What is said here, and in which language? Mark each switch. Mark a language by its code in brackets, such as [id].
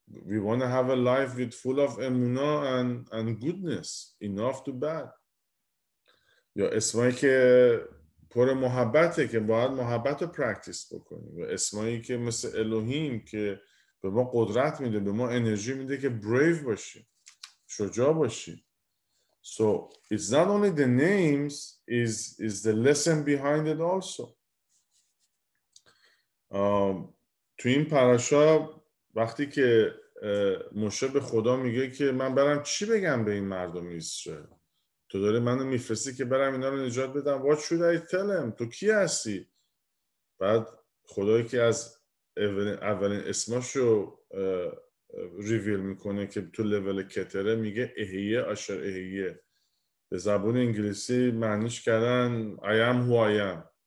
[en] We want to have a life with full of emuna and goodness, enough to bad. [fa] یا اسمایی که پر محبته که باید محبت رو پرکتیس بکنیم، و اسمایی که مثل الهیم که به ما قدرت میده، به ما انرژی میده که brave باشیم، شجاع باشیم. [en] So it's not only the names, is the lesson behind it also. [fa] تو این پرشا وقتی که موشه به خدا میگه که من برم چی بگم به این مردم اسرائیل، تو داره منو میفرستی که برم اینا رو نجات بدم، [en] what should I tell him، [fa] تو کی هستی؟ بعد خدایی که از اولین اسماشو ریویل میکنه که تو لول کتره، میگه اهیه اشر اهیه، به زبان انگلیسی معنیش کردن [en] I am who I am.